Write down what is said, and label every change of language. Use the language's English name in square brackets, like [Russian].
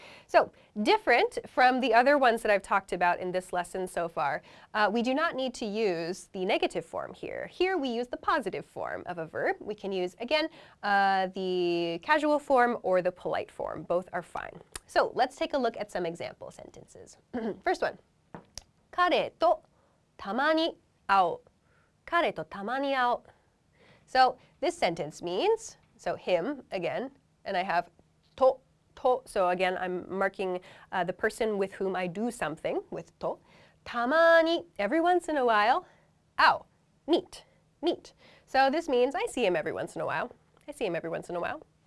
[English] So different from the other ones that I've talked about in this lesson so far, we do not need to use the negative form here. Here we use the positive form of a verb. We can use, again, the casual form or the polite form. Both are fine. So let's take a look at some example sentences. First one. [Japanese] 彼とたまに会う。彼とたまに会う。 [English] So this sentence means, so him, again, and I have to, to, so again, I'm marking the person with whom I do something with to. Tamani, every once in a while, au, meet, meet. So this means I see him every once in a while. I see him every once in a while.